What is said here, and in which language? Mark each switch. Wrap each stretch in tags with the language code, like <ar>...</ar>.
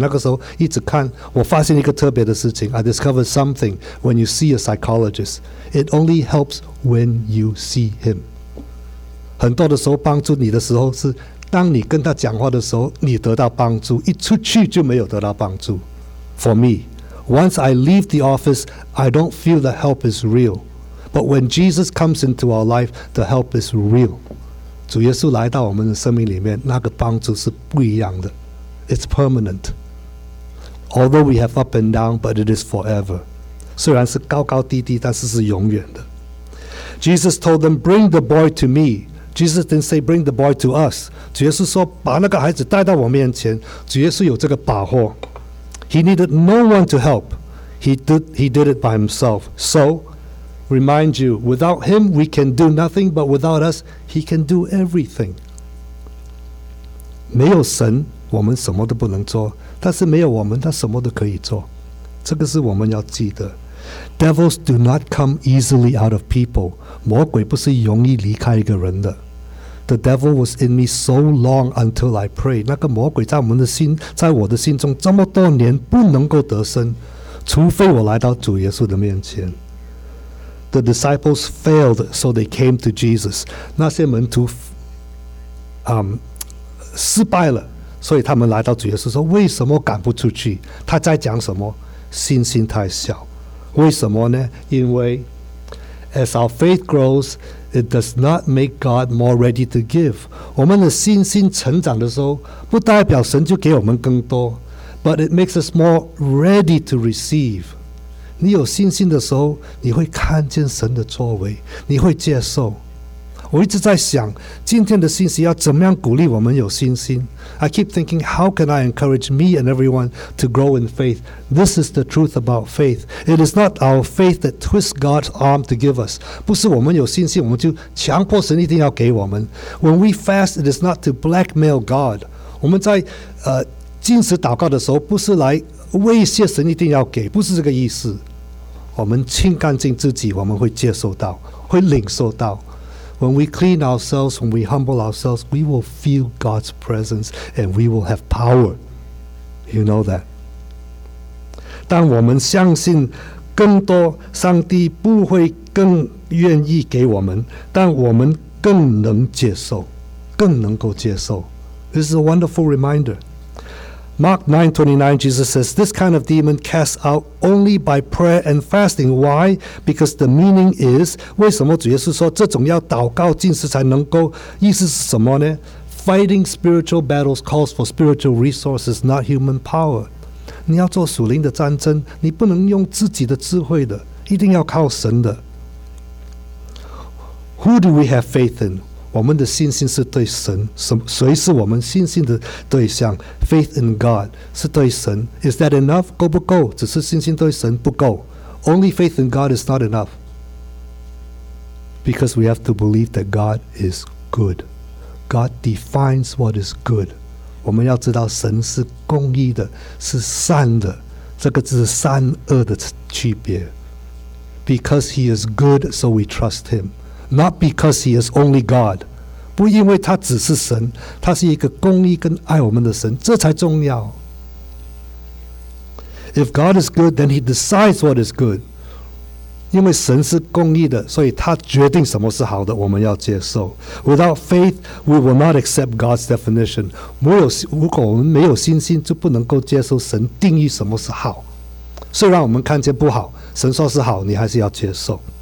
<zh>那个时候一直看，我发现一个特别的事情。</zh> <en>I discovered something when you see a psychologist. It only helps when you see him.</en> <zh>很多的时候帮助你的时候是当你跟他讲话的时候你得到帮助，一出去就没有得到帮助。</zh> <en>For me, once I leave the office, I don't feel the help is real. But when Jesus comes into our life, the help is real.</en> <zh>主耶稣来到我们的生命里面，那个帮助是不一样的。</zh> <en>It's permanent. Although we have up and down, but it is forever.</en> <zh>虽然是高高低低，但是是永远的。</zh> <en>Jesus told them, bring the boy to me. Jesus didn't say, bring the boy to us.</en> <zh>主耶稣说，把那个孩子带到我面前。主耶稣有这个把握。</zh> <en>He needed no one to help. He did it by himself. So, remind you, without him, we can do nothing, but without us, he can do everything.</en> <zh>没有神，我们什么都不能做，但是没有我们，他什么都可以做。这个是我们要记得。</zh> <en>Devils do not come easily out of people.</en> <zh>魔鬼不是容易离开一个人的。</zh> <en>The devil was in me so long until I prayed.</en> <zh>那个魔鬼在我们的心，在我的心中这么多年不能够得胜，除非我来到主耶稣的面前。</zh> <en>The disciples failed, so they came to Jesus.</en> <zh>那些门徒失败了，所以他们来到主耶稣说，为什么赶不出去？他在讲什么？信心太小。为什么呢？因为</zh> <en>as our faith grows,It does not make God more ready to give.</en> <zh>我们的信心成长的时候，不代表神就给我们更多。</zh> <en>But it makes us more ready to receive.</en> <zh>你有信心的时候，你会看见神的作为，你会接受。我一直在想，今天的信息要怎么样鼓励我们有信心。</zh> <en>I keep thinking, how can I encourage me and everyone to grow in faith? This is the truth about faith. It is not our faith that twists God's arm to give us.</en> <zh>不是我们有信心，我们就强迫神一定要给我们。</zh> <en>When we fast, it is not to blackmail God.</en> <zh>我们在禁食祷告的时候，不是来威胁神一定要给，不是这个意思。我们清干净自己，我们会接受到，会领受到。</zh> <en>When we clean ourselves, when we humble ourselves, we will feel God's presence and we will have power. You know that.</en> <zh>当我们相信更多，上帝不会更愿意给我们，但我们更能接受，更能够接受。</zh> <en>This is a wonderful reminder. Mark 9:29, Jesus says, this kind of demon casts out only by prayer and fasting. Why? Because the meaning is,</en> <zh>为什么主耶稣说这种要祷告禁食才能够，意思是什么呢？</zh> <en>Fighting spiritual battles calls for spiritual resources, not human power.</en> <zh>你要做属灵的战争，你不能用自己的智慧的，一定要靠神的。</zh> <en>Who do we have faith in?</en> <zh>我们的信心是对神。谁是我们信心的对象？</zh> <en>Faith in God</en> <zh>是对神。</zh> <en>Is that enough?</en> <zh>够不够？只是信心对神不够。</zh> <en>Only faith in God is not enough, because we have to believe that God is good. God defines what is good.</en> <zh>我们要知道神是公义的，是善的，这个就是善恶的区别。</zh> <en>Because he is good, so we trust him. Not because he is only God.</en> <zh>不因为他只是神，他是一个公义跟爱我们的神，这才重要。</zh> <en>If God is good, then he decides what is good.</en> <zh>因为神是公义的，所以他决定什么是好的，我们要接受。</zh> <en>Without faith, we will not accept God's definition.</en> <zh>如果我们没有信心，就不能够接受神定义什么是好。虽然我们看见不好，神说是好，你还是要接受。</zh>